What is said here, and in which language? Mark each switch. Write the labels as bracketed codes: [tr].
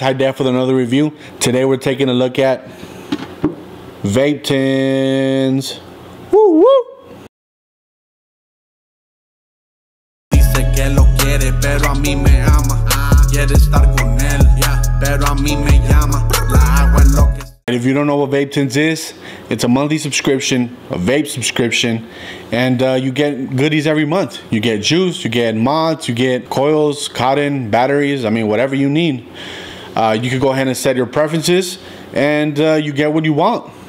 [en] HIDEF with another review. Today we're taking a look at VapeTins. Woo! [es] Dice que lo quiere, pero a mí me ama. Quiere estar con él, pero a mí me llama. La agua lo que... [en] And if you don't know what VapeTins is, it's a monthly subscription, a vape subscription, and you get goodies every month. You get juice, you get mods, you get coils, cotton, batteries, I mean, whatever you need. You can go ahead and set your preferences, and you get what you want.